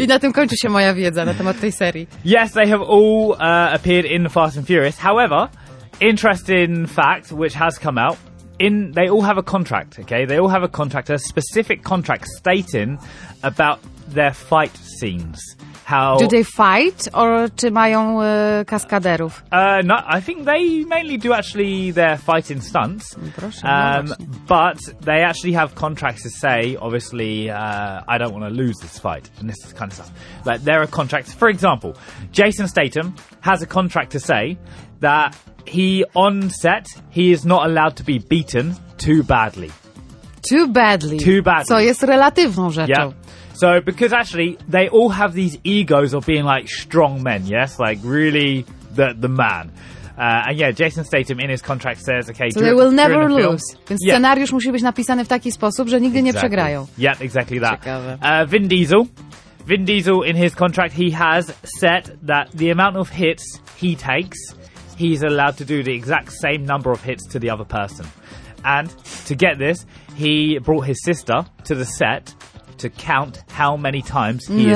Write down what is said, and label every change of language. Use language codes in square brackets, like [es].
[pl] I na tym kończy się moja wiedza na temat tej serii. [en] Yes, they have all appeared in the Fast and Furious. However, interesting fact which has come out. They all have a contract, okay? They all have a contract, a specific contract stating about their fight scenes. How do they fight, or [pl] czy mają kaskaderów? [en] No, I think they mainly do actually their fighting stunts. [pl] Proszę, [en] but they actually have contracts to say, obviously, I don't want to lose this fight, and this kind of stuff. But there are contracts. For example, Jason Statham has a contract to say that he on set, he is not allowed to be beaten too badly. Too badly. Too badly. [pl] Co jest relatywną rzeczą. [en] Yeah. So, because actually, they all have these egos of being like strong men, yes? Like really the man. And yeah, Jason Statham in his contract says, okay, so they will never lose. [pl] Więc [en] yeah. [pl] Scenariusz musi być napisany w taki sposób, że nigdy [en] exactly. [pl] nie przegrają. [en] Yeah, exactly that. [pl] Ciekawe. [en] Vin Diesel. Vin Diesel in his contract, he has set that the amount of hits he takes, he's allowed to do the exact same number of hits to the other person. And to get this, he brought his sister to the set to count how many times he